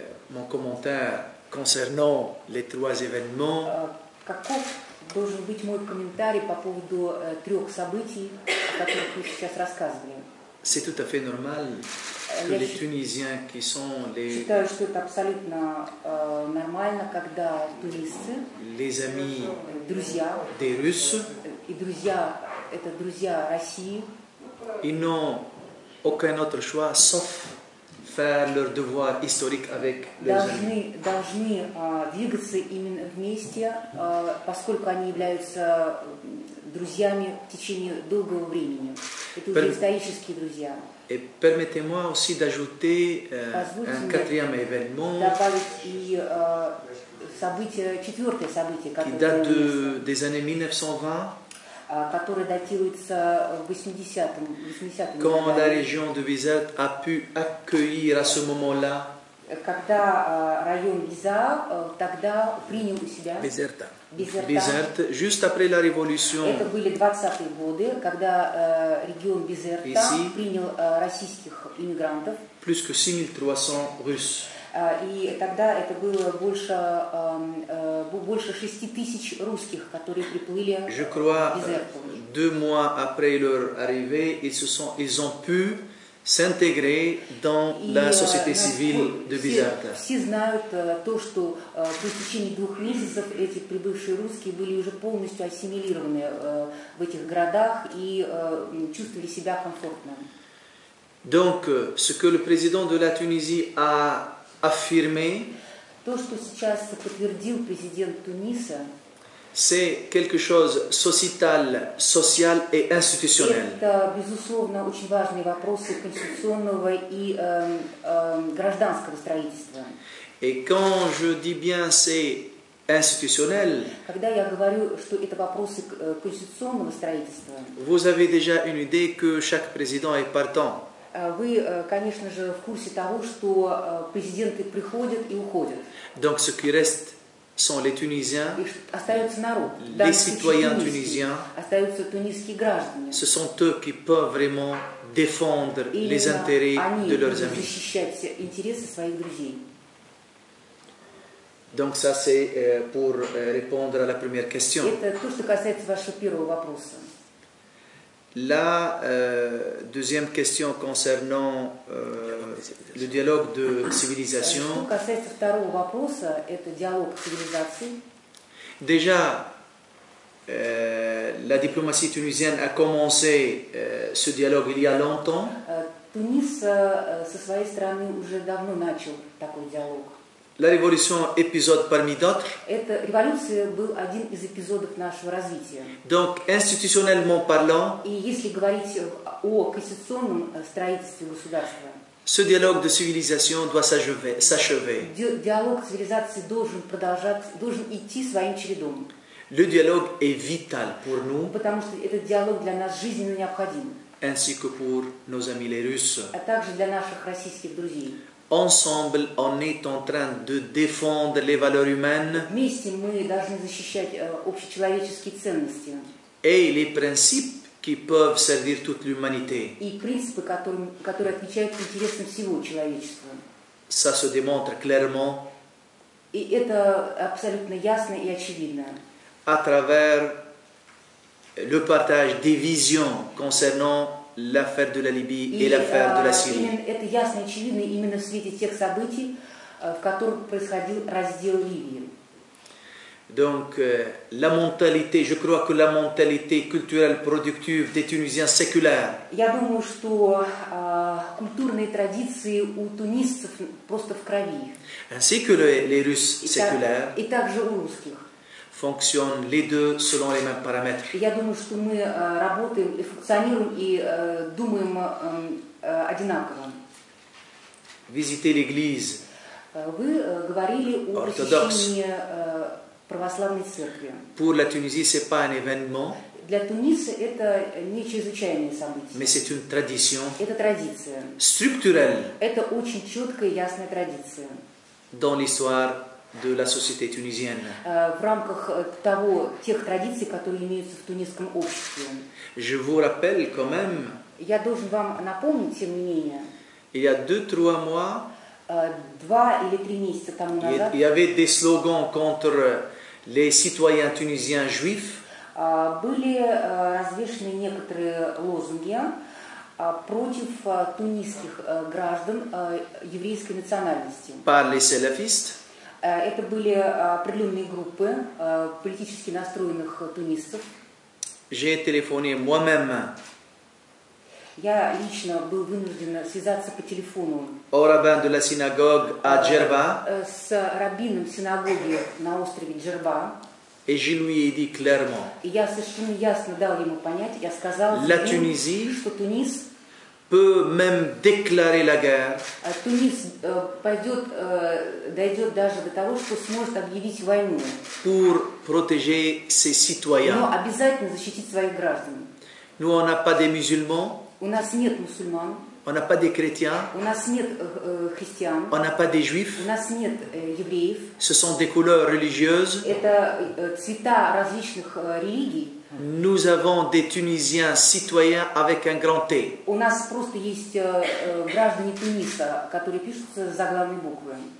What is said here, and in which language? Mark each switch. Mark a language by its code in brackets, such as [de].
[fr] Mon commentaire concernant les trois événements. [ru] Должен быть мой комментарий по поводу трех событий, о которых мы сейчас рассказываем. [fr] C'est tout à fait normal que les Tunisiens qui sont les... [ru] Считаю, что это абсолютно нормально, когда туристы, [fr] les amis [ru] друзья, [fr] des Russes, [ru] и друзья, это друзья России, [fr] ils n'ont aucun autre choix, sauf faire leur devoir historique avec [ru] должны двигаться именно вместе, поскольку они являются друзьями в течение долгого времени. Это уже исторические друзья. [fr] Et permettez-moi aussi d'ajouter un quatrième événement. [ru] Четвертое событие, [fr] qui date des années 1920. [ru] Который датируется в 80-м году. [fr] Quand la région de Vizelt a pu accueillir à ce moment-là. [ru] Когда район Виза тогда принял у себя. [fr] Bizerta. [ru] Bizerta. [fr] Juste après la révolution. [ru] Это были 20-е годы, когда регион Bizerta принял российских иммигрантов. [fr] Plus que 6300 Russes. [ru] И тогда это было больше 6000 русских, которые приплыли в Bizerta. [fr] Deux mois après leur arrivée, ils ont pu s'intégrer dans la société civile de Bizerta. [ru] Все знают то, что в течение двух месяцев эти прибывшие русские были уже полностью ассимилированы в этих городах и чувствовали себя комфортно. [fr] Donc, ce que le président de la Tunisie a affirmé, [ru] то, что сейчас подтвердил президент Туниса, [fr] c'est quelque chose sociétal, social et institutionnel. [ru] Это, безусловно, очень важные вопросы конституционного и гражданского строительства. [fr] Et quand je dis bien c'est institutionnel, [ru] когда я говорю, что это вопросы конституционного строительства, [fr] vous avez déjà une idée que chaque président est partant. [ru] Вы, конечно же, в курсе того, что президенты приходят и уходят. [fr] Donc ce qui reste sont les Tunisiens, [ru] остается народ, [fr] les citoyens tunisiens, [ru] остаются тунисские граждане. [fr] Ce sont eux qui peuvent vraiment défendre les intérêts de leurs amis. [ru] Защищать интересы своих друзей. [fr] Donc ça c'est pour répondre à la première question. [ru] Это то, что касается вашего первого вопроса. [fr] La deuxième question concernant le dialogue de civilisation. [ru] Что касается второго вопроса, это диалог цивилизации. [fr] Déjà, la diplomatie tunisienne a commencé ce dialogue il y a longtemps. [ru] Тунис со своей стороны уже давно начал такой диалог. [fr] La révolution épisode parmi d'autres. [ru] Эта революция был один из эпизодов нашего развития. [fr] Donc institutionnellement parlant. [ru] И если говорить о конституционном строительстве государства. [fr] Ce dialogue de civilisation doit s'achever. [ru] Диалог цивилизации должен идти своим чередом. [fr] Le dialogue est vital pour nous. [ru] Потому что этот диалог для нас жизненно необходим. [fr] Ainsi que pour nos amis les Russes. [ru] А также для наших российских друзей. [fr] Ensemble, on est en train de défendre les valeurs humaines. [ru] Вместе мы должны защищать общечеловеческие ценности. [fr] Et les principes qui peuvent servir toute l'humanité. [ru] И принципы, которые отвечают интересам всего человечества. [fr] Ça se démontre clairement. [ru] И это абсолютно ясно и очевидно. [fr] À travers le partage des visions concernant l'affaire de la Libye et l'affaire de la Syrie. [ru] Именно, это ясно и очевидно именно в свете тех событий, в которых происходил раздел Ливии. [fr] Donc la mentalité, je crois que la mentalité culturelle productive des Tunisiens séculaires. [ru] Я думаю, что культурные традиции у тунисцев просто в крови. [fr] Ainsi que les Russes séculaires. [ru] И также у русских. [fr] Fonctionnent les deux selon les mêmes paramètres. [ru] Я думаю, что мы работаем и функционируем и думаем одинаково. [fr] Visiter l'église. [ru] Вы говорили о посещении православной церкви. [fr] Pour la Tunisie, c'est pas un événement. [ru] Для Туниса это не чрезвычайное событие. [fr] Mais c'est une tradition. [ru] Это традиция. [fr] Structurelle. [ru] Это очень четкая и ясная традиция. [fr] Dans l'histoire de la société tunisienne. [ru] В рамках того тех традиций, которые имеются в тунисском обществе. [fr] Je vous rappelle quand même. [ru] Я должен вам напомнить тем не менее. [fr] Il y a 2-3 mois. [ru] Два или три месяца тому назад. [fr] Il y avait des slogans contre les citoyens tunisiens juifs. [ru] Были развешены некоторые лозунги против тунисских граждан еврейской национальности. [fr] Par les salafistes. [ru] Это были определенные группы политически настроенных тунисцев. [fr] J'ai téléphoné moi-même. [ru] Я лично был вынужден связаться по телефону [fr] de la synagogue à Djerba, [ru] с раввином синагоги на острове Джерба. [fr] Et je lui ai dit clairement, [ru] и я совершенно ясно дал ему понять, я сказал [fr] la [ru] ему, [fr] Tunisie, [ru] что Тунис [fr] peut même déclarer la guerre, [ru] Тунис пойдет, дойдет даже до того, что сможет объявить войну [fr] pour protéger ses citoyens. [ru] Но обязательно защитить своих граждан. [fr] Nous, on n'a pas des musulmans. [ru] У нас нет мусульман. [fr] On n'a pas des chrétiens. [ru] У нас нет христиан. [fr] On n'a pas des juifs. [ru] У нас нет евреев. [fr] Ce sont des couleurs religieuses. [ru] Это цвета различных религий. [fr] Nous avons des Tunisiens citoyens avec un grand T. [ru] У нас просто есть граждане Туниса, которые пишутся заглавной буквой.